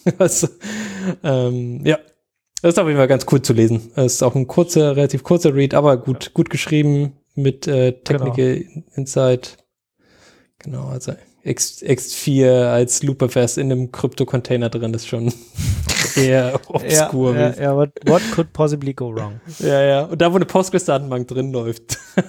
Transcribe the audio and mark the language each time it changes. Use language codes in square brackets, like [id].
[de] Also, ja, das ist auf jeden Fall ganz cool zu lesen. Es ist auch ein kurzer, relativ kurzer Read, aber gut, ja. Gut geschrieben mit Technical Insight. Genau, also X4 als Looperfest in einem Krypto-Container drin ist schon eher obskur. Ja, aber [en] what could possibly go wrong? [de] Ja, ja. Und da, wo eine Postgres-Datenbank drin läuft.